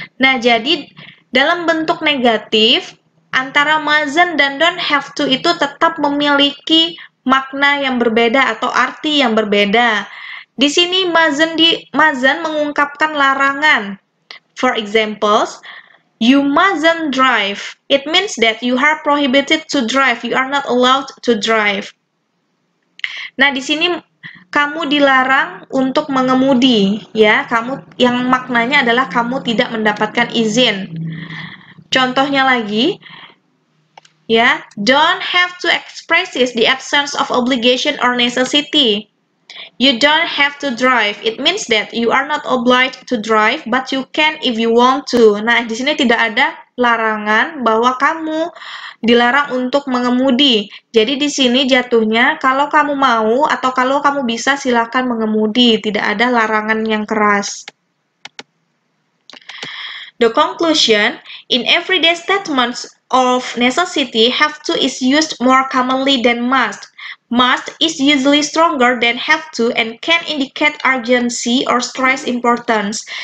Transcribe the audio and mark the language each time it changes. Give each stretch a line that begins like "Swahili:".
Indonesian: Nah, jadi dalam bentuk negatif, antara mustn't dan don't have to itu tetap memiliki makna yang berbeda atau arti yang berbeda. Di sini mustn't mengungkapkan larangan.
English: For examples, you mustn't drive. It means that you are prohibited to drive. You are not allowed to drive.
Indonesian: Nah, di sini kamu dilarang untuk mengemudi, ya. Kamu yang maknanya adalah kamu tidak mendapatkan izin. Contohnya lagi, ya,
English: don't have to express is the absence of obligation or necessity. You don't have to drive. It means that you are not obliged to drive, but you can if you want to.
Indonesian: Nah, di sini tidak ada larangan bahwa kamu dilarang untuk mengemudi. Jadi di sini jatuhnya kalau kamu mau atau kalau kamu bisa silakan mengemudi, tidak ada larangan yang keras.
English: The conclusion, in everyday statements of necessity, have to is used more commonly than must. Must is usually stronger than have to and can indicate urgency or stress importance.